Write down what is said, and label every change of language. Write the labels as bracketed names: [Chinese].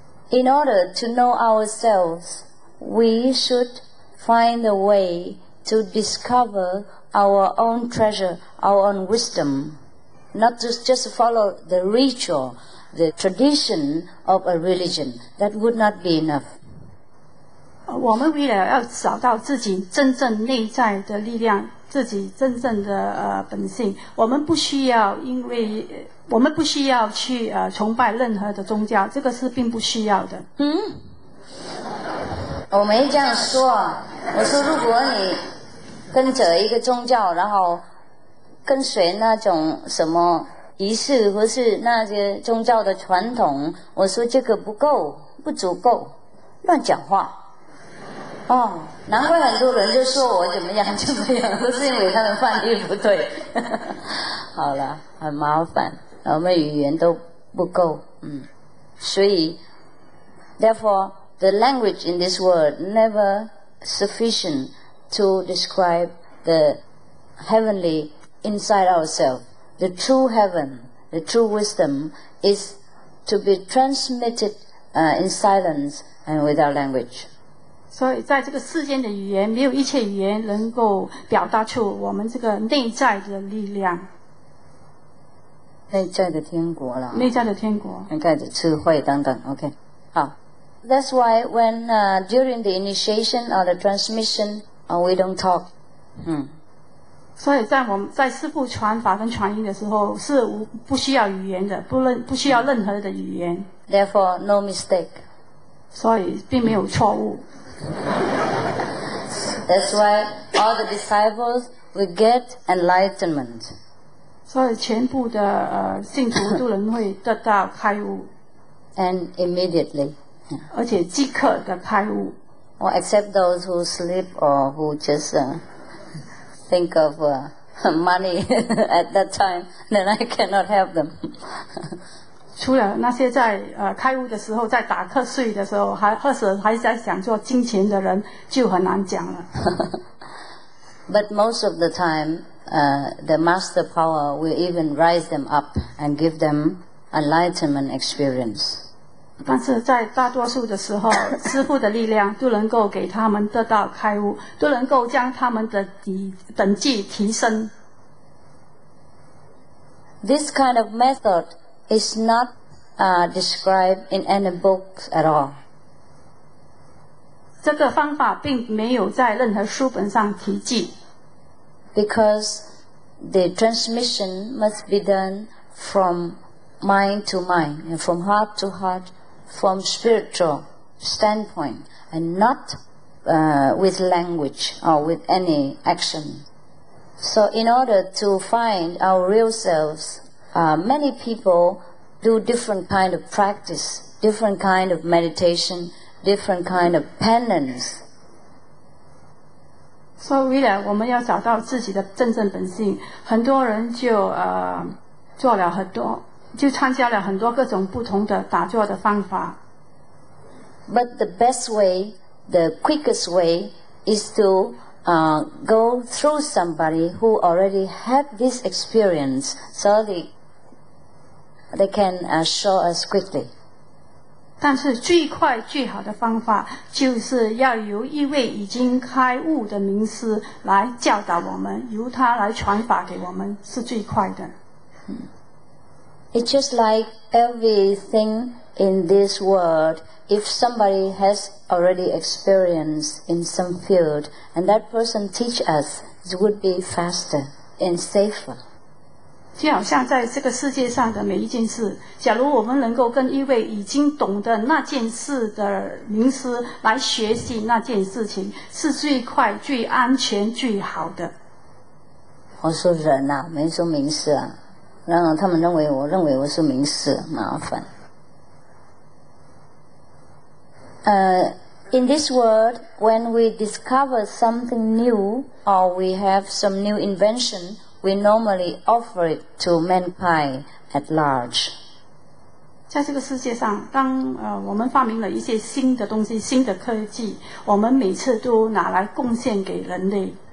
[English] In order to know ourselves, we should find a way to discover our own treasure, our own wisdom, not just follow the ritual, the tradition of a religion. That would not be enough. [Chinese] 我们为了要找到自己真正内在的力量，自己真正的本性，我们不需要因为我们不需要去崇拜任何的宗教，这个是并不需要的。嗯，我没这样说，我说如果你跟着一个宗教，然后跟随那种什么仪式或是那些宗教的传统，我说这个不够，不足够，乱讲话。哦，难怪很多人就说我怎么样怎么样，都是因为他们翻译不对。好了，很麻烦，我们语言都不够。所以 [English] therefore the language in this world never sufficient to describe the heavenly inside ourselves. The true heaven, the true wisdom is to be transmitted in silence and without language. [Chinese] 所以在这个世间的语言，没有一切语言能够表达出我们这个内在的力量，内在的天国了，内在的天国，内在的智慧等等。OK, 好。 [English] That's why when during the initiation or the transmission, we don't talk. [Chinese] 所以在我们在师父传法跟传音的时候是不需要语言的，不需要任何的语言。 [English] Therefore, no mistake. [Chinese] 所以并没有错误。 [English] That's why all the disciples will get enlightenment. [Chinese] 所以全部的信徒都能会得到开悟。 [English] And immediately. [Chinese] 而且即刻的开悟。 [English] Or except those who sleep or who just think of money at that time, then I cannot help them. [Chinese] 除了那些在开悟的时候，在打瞌睡的时候，还在想做金钱的人，就很难讲了。 [English] But most of the time, the master power will even rise them up and give them enlightenment experience. [Chinese] 但是在大多数的时候，师父的力量都能够给他们得到开悟，都能够将他们的等级提升。 [English] This kind of method. It's not described in any books at all. [Chinese] 这个方法并没有在任何书本上提及。 [English] Because the transmission must be done from mind to mind, and from heart to heart, from spiritual standpoint, and not with language or with any action. So in order to find our real selves, many peopledo different kind of practice, different kind of meditation, different kind of penance. So, really, [Chinese] 我们要找到自己的真正本性，很多人就做了很多，就参加了很多各种不同的打坐的方法。 [English] But the best way, the quickest way, is to go through somebody who already have this experience, so they can show us quickly. [Chinese] 但是最快最好的方法就是要由一位已经开悟的名师来教导我们，由他来传法给我们是最快的。 [English] It's just like everything in this world, if somebody has already experienced in some field, and that person teach us, it would be faster and safer. [Chinese] 就好像在这个世界上的每一件事，假如我们能够跟一位已经懂得那件事的名师来学习那件事情，是最快、最安全、最好的。我说人啊，没说名师啊，然后他们认为我是名师，麻烦。 [English] In this world, when we discover something new or we have some new invention. We normally offer it to mankind at large. [Chinese] 在这个世界上，当我们发明了一些新的东西、新的科技，我们每次都拿来贡献给人类。